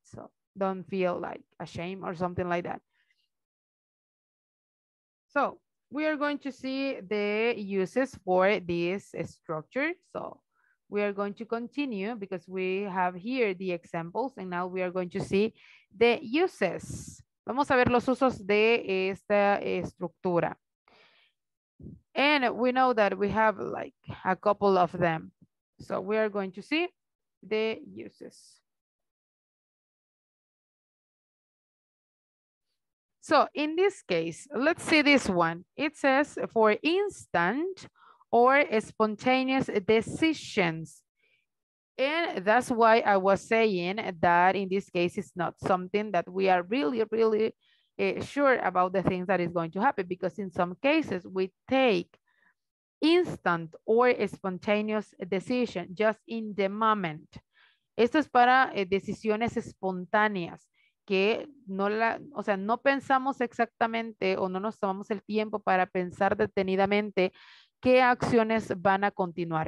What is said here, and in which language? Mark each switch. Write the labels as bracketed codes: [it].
[en] So don't feel like ashamed or something like that. So we are going to see the uses for this structure. So we are going to continue because we have here the examples, and now we are going to see the uses. [es] Vamos a ver los usos de esta estructura. [en] And we know that we have like a couple of them. So we are going to see the uses. So in this case, let's see this one. It says for instant or spontaneous decisions. And that's why I was saying that in this case, it's not something that we are really, really sure about the things that is going to happen, because in some cases we take instant or spontaneous decision just in the moment. [es] Esto es para decisiones espontáneas, que no la, o sea, no pensamos exactamente o no nos tomamos el tiempo para pensar detenidamente qué acciones van a continuar.